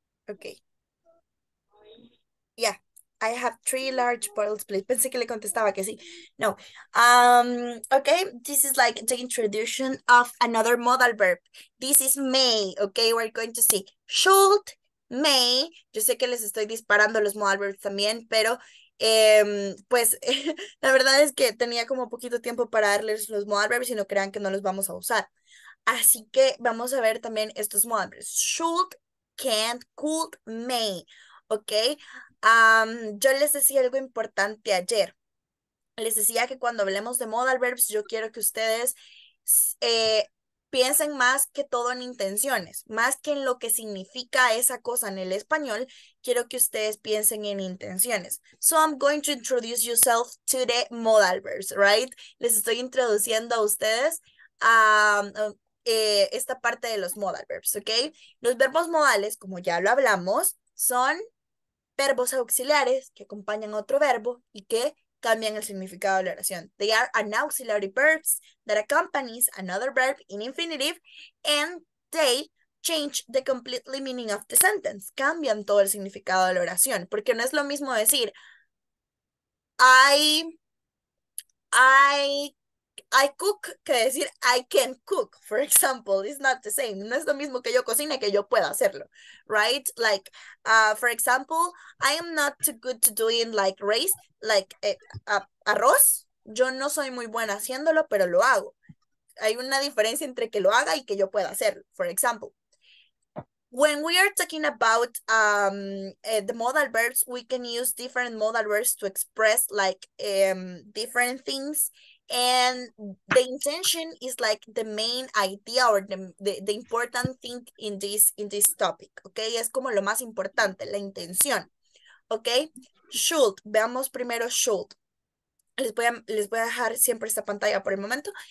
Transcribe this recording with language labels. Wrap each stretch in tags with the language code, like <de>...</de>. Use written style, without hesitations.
<en>Okay. Yeah, I have 3 large bottles, please.</en> <es>Pensé que le contestaba que sí. No.</es> <en>Okay, this is like the introduction of another modal verb. This is may, okay? We're going to see should, may.</en> <es>Yo sé que les estoy disparando los modal verbs también, pero pues la verdad es que tenía como poquito tiempo para darles los modal verbs y no crean que no los vamos a usar. Así que vamos a ver también estos modal verbs. Should, can't, could, may. Ok, yo les decía algo importante ayer. Les decía que cuando hablemos de modal verbs, yo quiero que ustedes piensen más que todo en intenciones, más que en lo que significa esa cosa en el español, quiero que ustedes piensen en intenciones.</es> <en>So I'm going to introduce yourself to the modal verbs, right?</en> <es>Les estoy introduciendo a ustedes a esta parte de los modal verbs, ok. Los verbos modales, como ya lo hablamos, son verbos auxiliares que acompañan a otro verbo y que cambian el significado de la oración.</es> <en>They are an auxiliary verbs that accompanies another verb in infinitive and they change the completely meaning of the sentence.</en> <es>Cambian todo el significado de la oración. Porque no es lo mismo decir</es> <en>I cook</en> <es>que decir</es> <en>I can cook, for example. It's not the same.</en> <es>No es lo mismo que yo cocine que yo pueda hacerlo,</es> <en>right? Like, for example, I am not too good to doing like rice, like arroz.</en> <es>Yo no soy muy buena haciéndolo, pero lo hago. Hay una diferencia entre que lo haga y que yo pueda hacerlo,</es> <en>for example. When we are talking about the modal verbs, we can use different modal verbs to express like different things. And the intention is like the main idea or the important thing in this topic, okay?</en> <es>Es como lo más importante, la intención, okay? Should, veamos primero should. Les voy a dejar siempre esta pantalla por el momento.</es>